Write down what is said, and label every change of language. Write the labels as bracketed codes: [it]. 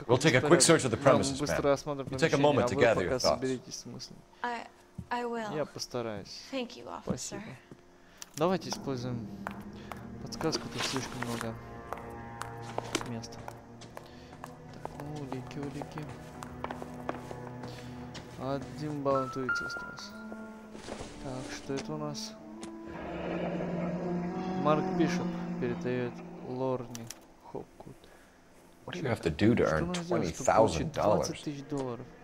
[en] We'll take a quick search of the premises, ma'am. You take a moment to gather your thoughts. I will. [ru] Я постараюсь. [en] Thank you, officer. [ru] Давайте используем подсказку, тут слишком много места. Так, ну, улики, улики. Один балл интуиции остался. Так, что это у нас? Марк Бишоп передает Лорни Хопкут. [en] What do you have to do to earn $20,000?